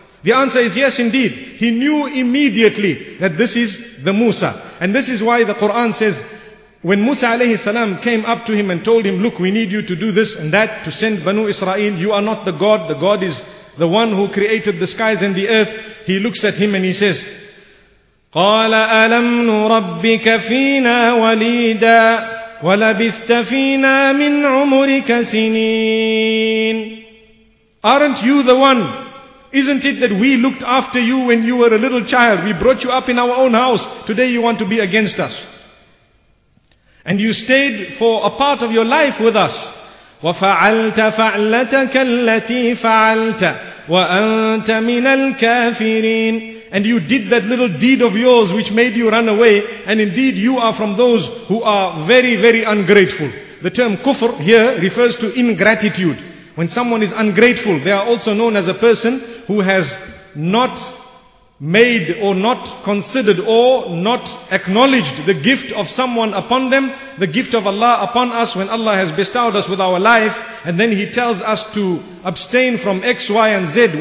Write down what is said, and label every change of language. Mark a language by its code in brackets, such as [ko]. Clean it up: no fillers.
[en] The answer is yes indeed. He knew immediately that this is the Musa. And this is why the Quran says, when Musa alayhi salam came up to him and told him, look, we need you to do this and that to send Banu Israel. You are not the God. The God is the one who created the skies and the earth. He looks at him and he says, [ar] قال ألم نربك فينا وليدا ولبثت فينا من عمرك سنين. [en] Aren't you the one? Isn't it that we looked after you when you were a little child? We brought you up in our own house. Today you want to be against us. And you stayed for a part of your life with us. [ar] وفعلت فعلتك التي فعلت وأنت من الكافرين. [en] And you did that little deed of yours which made you run away. And indeed you are from those who are very, very ungrateful. The term kufr here refers to ingratitude. When someone is ungrateful, they are also known as a person who has not made or not considered or not acknowledged the gift of someone upon them, the gift of Allah upon us when Allah has bestowed us with our life, and then He tells us to abstain from X, Y, and Z.